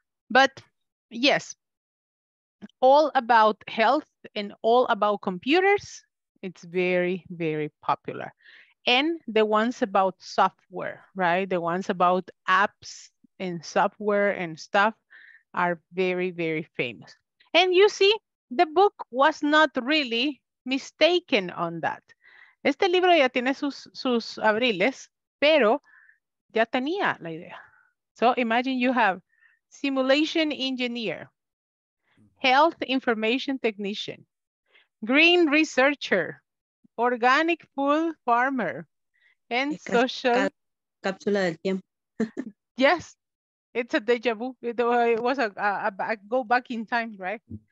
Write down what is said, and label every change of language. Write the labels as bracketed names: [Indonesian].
[English] But yes, all about health and all about computers, it's very, very popular. And the ones about software, right? The ones about apps and software and stuff are very, very famous. And you see, the book was not really mistaken on that. [Spanish] Este libro ya tiene sus abriles, pero ya tenía la idea. [English] So imagine you have simulation engineer, health information technician, green researcher, organic food farmer, and social... [Spanish] Cápsula del tiempo. [English] Yes, it's a deja vu. It was a go back in time, right?